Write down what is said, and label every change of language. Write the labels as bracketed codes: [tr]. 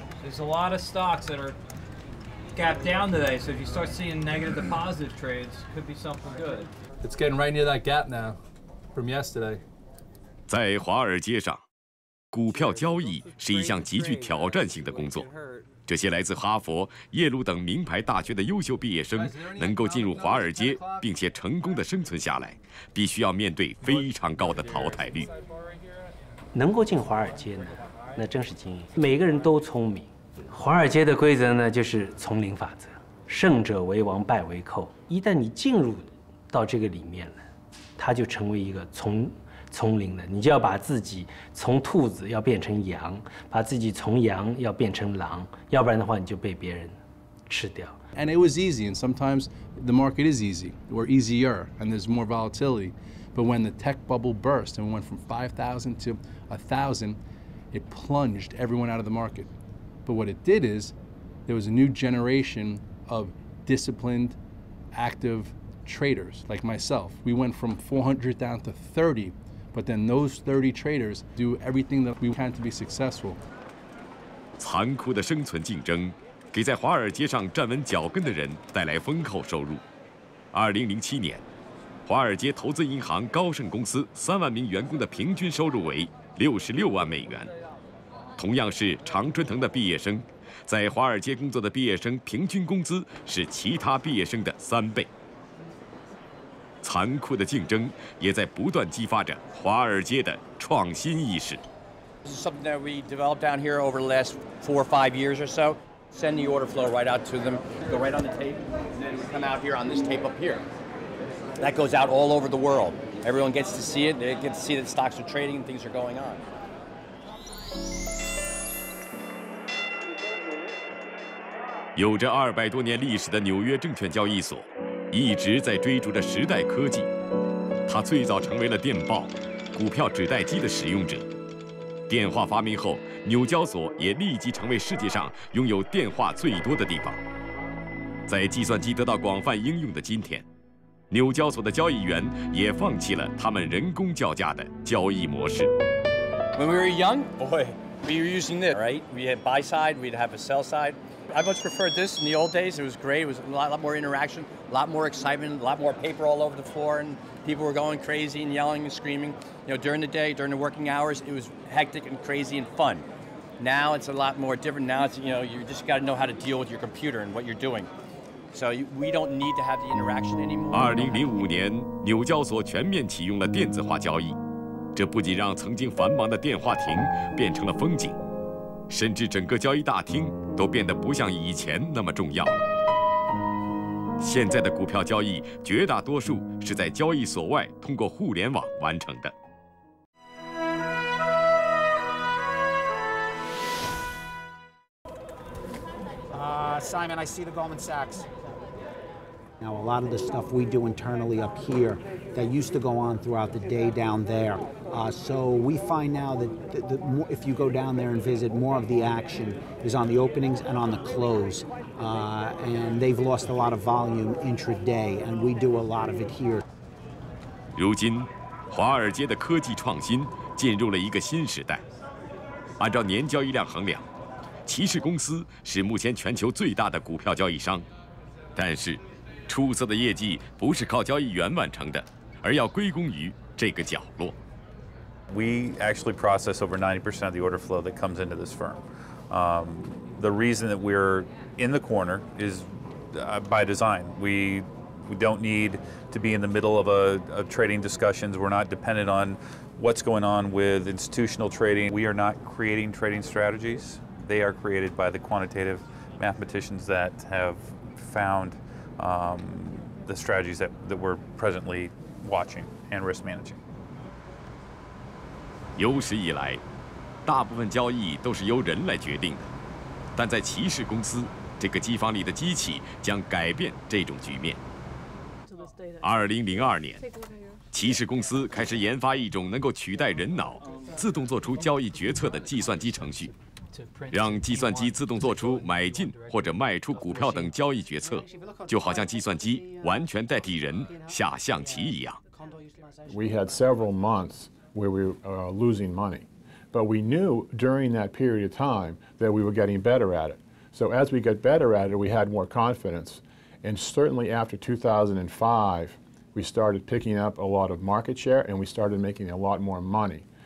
[en] There's a lot of stocks that are gapped down today, so if you start seeing negative to positive trades, could be something good. It's getting right near that gap now from yesterday. [zh] 在华尔街上，股票交易是一项极具挑战性的工作。这些来自哈佛、耶鲁等名牌大学的优秀毕业生能够进入华尔街并且成功的生存下来，必须要面对非常高的淘汰率。能够进华尔街呢，那真是精英，每个人都聪明。华尔街的规则呢，就是丛林法则，胜者为王，败为寇。一旦你进入到这个里面了，它就成为一个丛林了，你就要把自己从兔子要变成羊，把自己从羊要变成狼，要不然的话你就被别人吃掉。 [en] And it was easy, and sometimes the market is easy, or easier, and there's more volatility. But when the tech bubble burst and went from 5,000 to 1,000, it plunged everyone out of the market. But what it did is there was a new generation of disciplined, active traders like myself. We went from 400 down to 30. But then those 30 traders do everything that we can to be successful. [zh] 残酷的生存竞争给在华尔街上站稳脚跟的人带来丰厚收入。 2007年，华尔街投资银行高盛公司30,000名员工的平均收入为$660,000。同样是常春藤的毕业生，在华尔街工作的毕业生平均工资是其他毕业生的3倍。残酷的竞争也在不断激发着华尔街的创新意识。 [en] This is something that we developed down here over the last 4 or 5 years or so. Send the order flow right out to them, go right on the tape, and then come out here on this tape up here. That goes out all over the world. Everyone gets to see it. They get to see that stocks are trading and things are going on. [zh] 有着200多年历史的纽约证券交易所。一直在追逐着时代科技，他最早成为了电报、股票纸袋机的使用者。电话发明后，纽交所也立即成为世界上拥有电话最多的地方。在计算机得到广泛应用的今天，纽交所的交易员也放弃了他们人工叫价的交易模式。 [en] When we were young, boy, we were using this, right? We had buy side, we'd have a sell side. I much preferred this in the old days. It was great. It was a lot more interaction, a lot more excitement, a lot more paper all over the floor, and people were going crazy and yelling and screaming. You know, during the day, during the working hours, it was hectic and crazy and fun. Now it's a lot more different. Now it's, you know, you just got to know how to deal with your computer and what you're doing. So we don't need to have the interaction anymore. [zh] 2005年，纽交所全面启用了电子化交易，这不仅让曾经繁忙的电话亭变成了风景。甚至整个交易大厅都变得不像以前那么重要了。现在的股票交易绝大多数是在交易所外通过互联网完成的。 [en] Simon, I see the Goldman Sachs. Now a lot of the stuff we do internally up here that used to go on throughout the day down there. So we find now that if you go down there and visit, more of the action is on the openings and on the close. And they've lost a lot of volume intraday, and we do a lot of it here. [zh] 如今，华尔街的科技创新进入了一个新时代。按照年交易量衡量，骑士公司是目前全球最大的股票交易商。但是，出色的业绩不是靠交易员完成的，而要归功于这个角落。 [en] We actually process over 90% of the order flow that comes into this firm. The reason that we're in the corner is by design. We don't need to be in the middle of a trading discussions. We're not dependent on what's going on with institutional trading. We are not creating trading strategies. They are created by the quantitative mathematicians that have found the strategies that we're presently watching and risk managing. [zh] 有史以来，大部分交易都是由人来决定的，但在骑士公司，这个机房里的机器将改变这种局面。 2002年，骑士公司开始研发一种能够取代人脑、自动做出交易决策的计算机程序，让计算机自动做出买进或者卖出股票等交易决策，就好像计算机完全代替人下象棋一样。 [en] We had several months.Where we are losing money, But we knew during that period of time that we were getting better at it. So as we got better at it, we had more confidence. And certainly after 2005, we started picking up a lot of market share and we started making a lot more money.